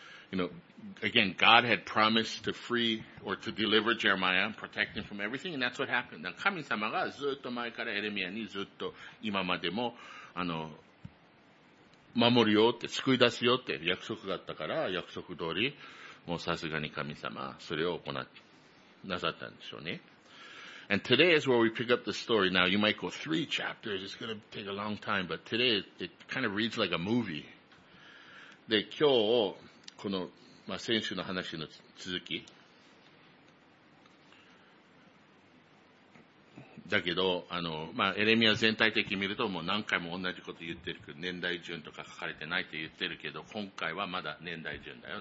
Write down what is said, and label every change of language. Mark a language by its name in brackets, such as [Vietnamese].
[English] You know, again, God had promised to free or to deliver Jeremiah, protect him from everything, and that's what happened. [Japanese] 神様がずっと前からエレミアにずっと今までも、守るよって、救い出すよって約束があったから、約束通り、もうさすがに神様、それを行なさったんでしょうね。 [English] And today is where we pick up the story. Now, you might go three chapters. It's going to take a long time, but today it kind of reads like a movie. [Japanese] で、今日、この、まあ、先週の話の続き。だけど、まあ、エレミア全体的に見るともう何回も同じこと言ってるけど、年代順とか書かれてないと言ってるけど、今回はまだ年代順だよ。